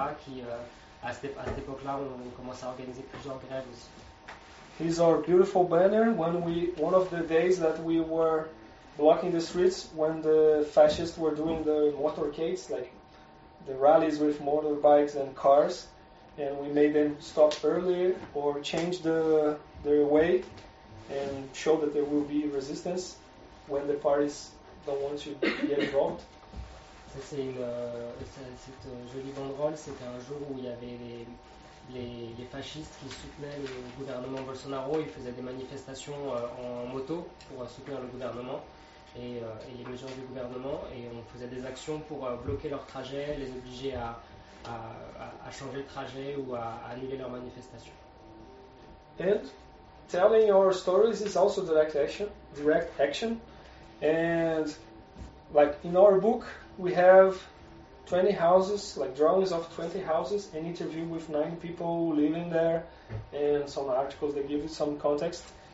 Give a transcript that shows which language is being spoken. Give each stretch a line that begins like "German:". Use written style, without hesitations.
French: qui à cette époque-là on commence à organiser plusieurs grèves aussi.
English: Here's our beautiful banner. One of the days that we were blocking the streets when the fascists were doing the motorcades, like the rallies with motorbikes and cars. And we made them stop earlier or change their way and show that there will be resistance when the parties don't want to get involved.
French: Ça, cette jolie banderole, c'était un jour où il y avait les fascistes qui soutenaient le gouvernement Bolsonaro. Ils faisaient des manifestations en moto pour soutenir le gouvernement et les mesures du gouvernement. Et on faisait des actions pour bloquer leur trajet, les obliger à changer de trajet ou à annuler leur manifestation.
English: And telling our stories is also direct action. And like in our book, we have 20 houses, like drawings of 20 houses, an interview with 9 people living there, and some articles that give you some context.